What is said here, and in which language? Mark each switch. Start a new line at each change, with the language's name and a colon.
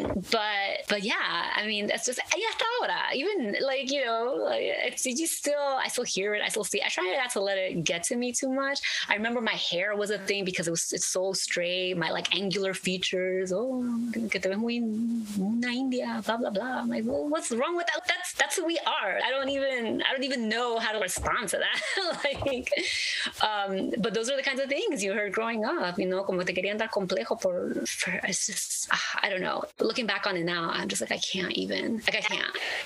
English: But yeah, I mean, that's just,
Spanish: y hasta ahora,
English: even like, you know, like, I still hear it. I still see it. I try not to let it get to me too much. I remember my hair was a thing because it's so straight. My like angular features.
Spanish: Oh, que te ves muy una india, blah, blah, blah.
English: I'm like, well, what's wrong with that? That's who we are. I don't even know how to respond to that. but those are the kinds of things you heard growing up, you know,
Spanish: como te querían dar complejo por,
English: it's just, I don't know. Looking back on it now, I'm just like, I can't even, like, I can't.